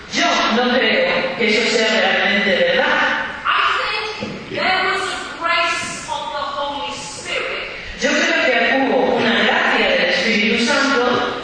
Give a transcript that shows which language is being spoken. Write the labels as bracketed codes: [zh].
[es] Yo no creo que eso sea realmente verdad. [en] I think there was a grace of the Holy Spirit. [es] Yo creo que hubo una gracia del Espíritu Santo